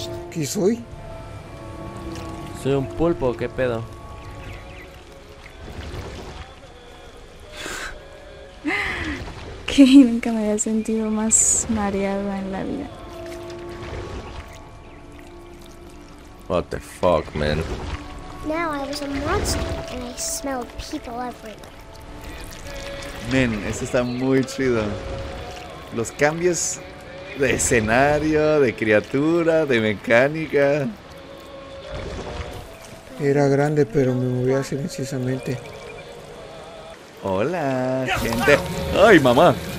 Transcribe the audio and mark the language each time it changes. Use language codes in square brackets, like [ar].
[es] ¿Qué soy? Soy un pulpo, ¿qué pedo? Que nunca me había sentido más mareada en la vida. [en] What the fuck, man? Now I was a monster and I smelled people everywhere. [es] Man, esto está muy chido. Los cambios de escenario, de criatura, de mecánica. Era grande, pero me movía silenciosamente. Hola, gente. ¡Ay, mamá!